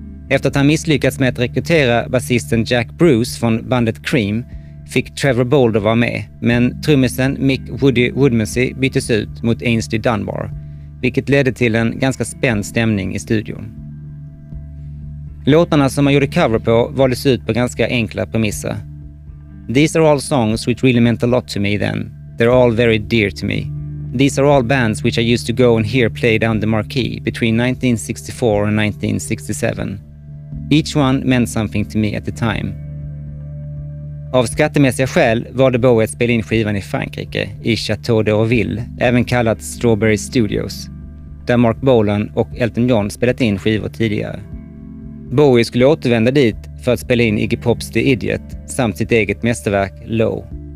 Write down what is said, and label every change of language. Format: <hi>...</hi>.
<sv>Efter att han misslyckats med att rekrytera basisten Jack Bruce från bandet Cream fick Trevor Boulder vara med, men trummisen Mick Woody Woodmansey byttes ut mot Ainsley Dunbar, vilket ledde till en ganska spänd stämning i studion. Låtarna som man gjorde cover på valdes ut på ganska enkla premisser.</sv> <en>These are all songs which really meant a lot to me then. They're all very dear to me. These are all bands which I used to go and hear play down the marquee between 1964 and 1967. Each one meant something to me at the time.</en> <sv>Av skattemässiga skäl valde Bowie att spela in skivan i Frankrike, i Chateau d'Orville, även kallat Strawberry Studios, där Mark Bolan och Elton John spelat in skivor tidigare. Bowie skulle återvända dit för att spela in Iggy Pop's The Idiot samt sitt eget mästerverk Low.</sv>